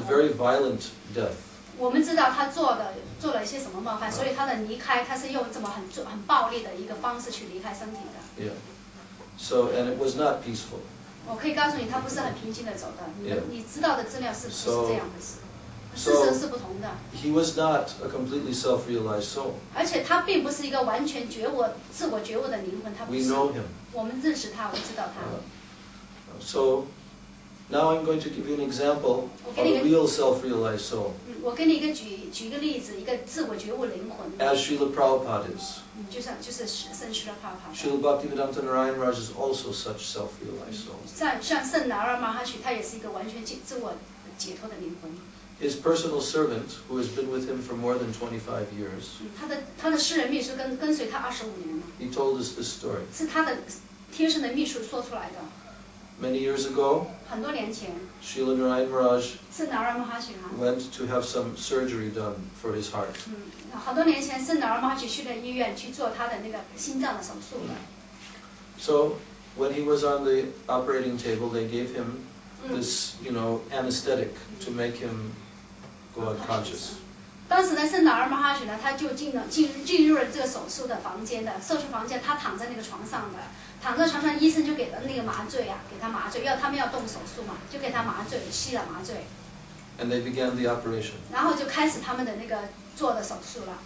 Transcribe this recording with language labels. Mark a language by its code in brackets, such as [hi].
[en] It's a very violent death. [zh] 我们知道他做了一些什么冒犯，所以他的离开，他是用这么很暴力的一个方式去离开身体的。 [en] Yeah. So and it was not peaceful. [zh] 我可以告诉你，他不是很平静的走的。 [en] Yeah. [zh] 你知道的资料是不是这样的？ [en] So, [zh] 事实是不同的。 [en] He was not a completely self-realized soul. [zh] 而且他并不是一个完全觉悟、自我觉悟的灵魂，他不是。 [en] We know him. [zh] 我们认识他，我们知道他。 [en] So, now I'm going to give you an example of a real self-realized soul. [zh] 我给你一个举一个例子，一个自我觉悟灵魂。 [en] As Srila Prabhupada is. [zh] 就是圣释迦牟尼佛。 [en] Srila Bhaktivedanta Narayan Raj is also such self-realized soul. [zh] 像圣达尔玛哈许，他也是一个完全自我解脱的灵魂。 [en] His personal servant, who has been with him for more than 25 years, [zh] 他的私人秘书跟随他25年了。 [en] He told us this story. [zh] 是他的贴身的秘书说出来的。 [en] Many years ago, [zh] 很多年前 [en] Srila Narayan Maharaj, [zh] 圣达尔玛哈许 [en] went to have some surgery done for his heart. [zh] 很多年前圣达尔玛哈许去了医院去做他的那个心脏的手术了。 [en] So when he was on the operating table, they gave him this, you know, anesthetic to make him go unconscious. [zh] 当时呢，是老二马哈雪呢，他就进入了这个手术的房间的手术房间，他躺在那个床上的，躺在床上，医生就给了那个麻醉啊，给他麻醉，要他们要动手术嘛，就给他麻醉，吸了麻醉。 [en] And they began the operation. [zh] 然后就开始他们的那个做的手术了。